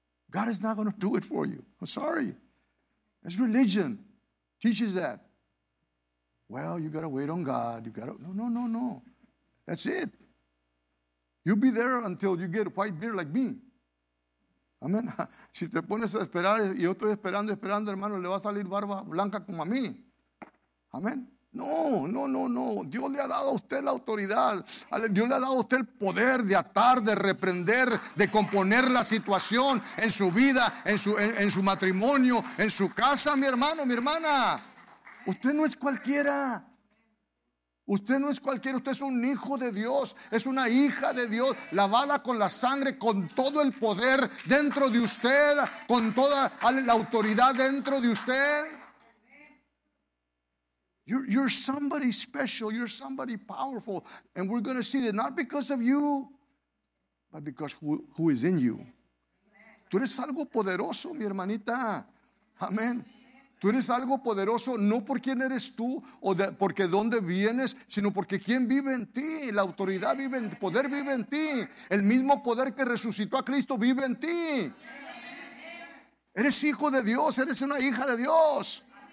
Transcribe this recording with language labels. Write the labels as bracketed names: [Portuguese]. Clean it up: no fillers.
[English] God is not going to do it for you. I'm sorry. It's religion. Teaches that. Well, you got to wait on God. You got to. No, no, no, no. That's it. You'll be there until you get a white beard like me. [Spanish] Amén. Si te pones a esperar, y yo estoy esperando, hermano, le va a salir barba blanca como a mí. Amén. No, no, no, no. Dios le ha dado a usted la autoridad. Dios le ha dado a usted el poder de atar, de reprender, de componer la situación en su vida, en su matrimonio, en su casa, mi hermano, mi hermana. Usted no es cualquiera. Usted no es cualquiera, usted es un hijo de Dios, es una hija de Dios, lavada con la sangre, con todo el poder dentro de usted, con toda la autoridad dentro de usted. [English] You're somebody special, you're somebody powerful, and we're going to see that not because of you, but because who is in you. [Spanish] Tú eres algo poderoso, mi hermanita. Amén. Tú eres algo poderoso, no por quién eres tú o porque dónde vienes, sino porque quién vive en ti. La autoridad vive en ti, el poder vive en ti. El mismo poder que resucitó a Cristo vive en ti. Eres hijo de Dios, eres una hija de Dios.